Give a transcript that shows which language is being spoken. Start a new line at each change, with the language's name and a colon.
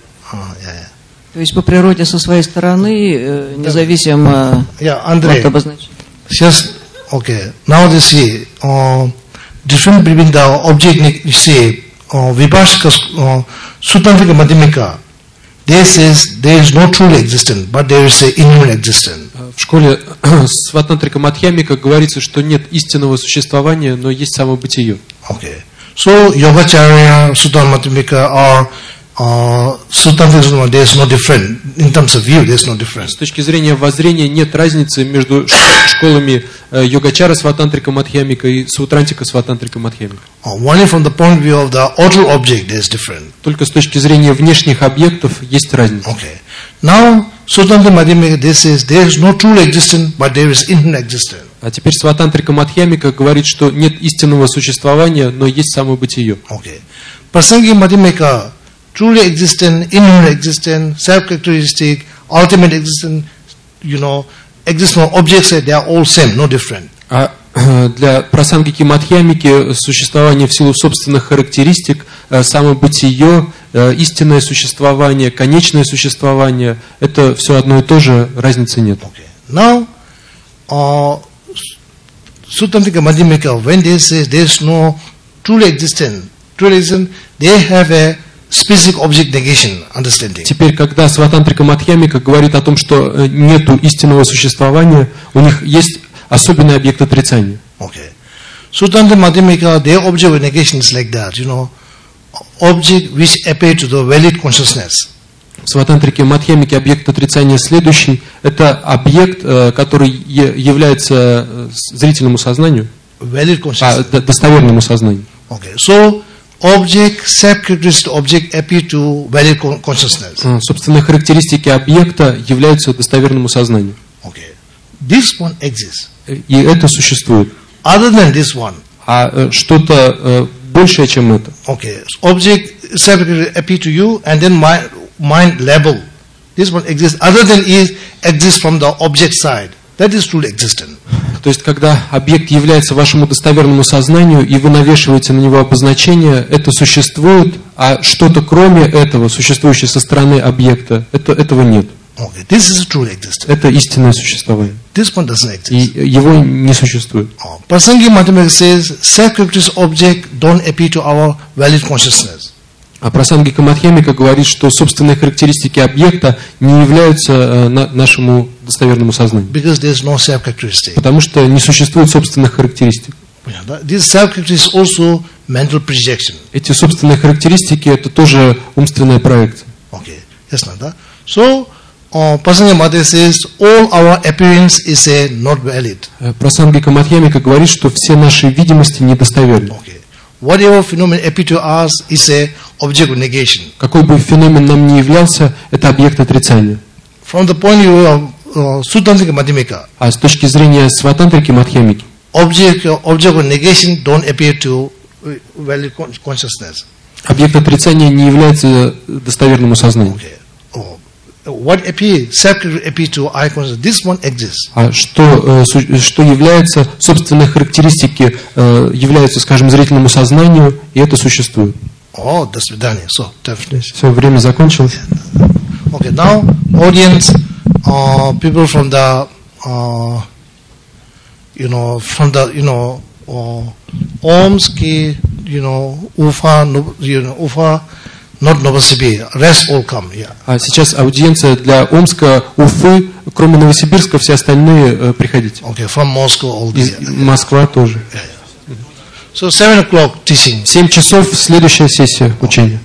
Russian: То есть по природе со своей стороны, независимо от обозначения. Сейчас, окей.
English: Now let's see. different between the object, say, Vibhashika, Sutantrika Madhyamika, there is no truly existent, but there is an inherent existent.
Russian: В школе Сватантрика Мадхьямика говорится, что нет истинного существования, но есть самобытие.
English: Okay. So, Yogacharya, Sutantrika Madhyamika are Sutantrika Madhyamika, there is no different. In terms of view, there is no different.
Russian: С точки зрения воззрения нет разницы между школами Йогачара Сватантрика Мадхьямика и Сутрантика Сватантрика Мадхьямика.
English: Only from the point of view of the outer object, there is different.
Russian: Только с точки зрения внешних объектов есть разница.
English: Okay. Now, Sutantrika Madhyamika, this is, there is no true existence, but there is inherent existence.
Russian: А теперь Сватантрика Мадхьямика говорит, что нет истинного существования, но есть самобытие.
English: Okay. Prasangi Madhyamika, truly existent, inherent existent, self-characteristic, ultimate existent, you know, exist from objects, they are all same, no different.
Russian: А для Прасангики Мадхьямики существование в силу собственных характеристик, самобытие, истинное существование, конечное существование, это все одно и то же, разницы нет.
English: Okay. Now, Sutantrika Madhyamika, when they say there is no truly existent, they have a specific object negation understanding.
Russian: Теперь, когда Сватантрика Мадхьямика говорит о том, что нету истинного существования, у них есть особенный объект отрицания.
English: Okay. Sutantrika Madhyamika, their object negation is like that, you know, object which appears to the valid consciousness.
Russian: В Сватантрике Мадхьямике объект отрицания следующий. Это объект, который является зрительному сознанию.
English: Valid consciousness.
Russian: Достоверному сознанию.
English: Okay. So, object, self-characteristic object appear to valid consciousness.
Russian: Собственные характеристики объекта являются достоверному сознанию.
English: Okay. This one exists.
Russian: И это существует.
English: Other than this one.
Russian: А что-то большее, чем это.
English: Okay. Object, self-characteristic appear to you, and then mind level. This one exists. Other than it exists from the object side. That is truly existent.
Russian: То есть, когда объект является вашему достоверному сознанию, и вы навешиваете на него обозначение, это существует, а что-то кроме этого, существующее со стороны объекта, этого нет.
English: Okay. This is truly existent.
Russian: Это истинное существование.
English: This one doesn't exist.
Russian: И его не существует.
English: Prasangi Madhyamika says, self-characteristic object don't appear to our valid consciousness.
Russian: А Прасангика Мадхьямика говорит, что собственные характеристики объекта не являются нашему достоверному сознанию.
English: Because there is no self-characteristic.
Russian: Потому что не существует собственных характеристик.
English: This self-characteristic is also mental projection.
Russian: Эти собственные характеристики – это тоже умственная проекция.
English: Okay. Yes, not that. So, Prasangika Madhyamika says, all our appearance is not valid.
Russian: Прасангика Мадхьямика говорит, что все наши видимости недостоверны.
English: Okay. Whatever phenomenon appears to us is an object of negation.
Russian: Какой бы феномен нам ни являлся, это объект отрицания.
English: From the point of view of Sutantrika Madhyamika.
Russian: А с точки зрения Сватантрики Мадхьямики.
English: Object of negation don't appear to valid consciousness.
Russian: Объект отрицания не является достоверным сознанием.
English: Okay. What appears, self-characteristic appears to eye consciousness, this one exists.
Russian: А что является собственной характеристикой, является, скажем, зрительному сознанию, и это существует. О, до свидания.
English: So, definitely.
Russian: Все, время закончилось.
English: Okay, now, audience, people from the, you know, from the, you know, Омск, you know, Уфа, you know, Уфа, not Novosibirsk, rest all come. Yeah.
Russian: А сейчас аудиенция для Омска, Уфы, кроме Новосибирска, все остальные приходите.
English: Okay, from Moscow all the.
Russian: Москва тоже.
English: Yeah, yeah. So 7 o'clock teaching.
Russian: 7 часов следующая сессия учения.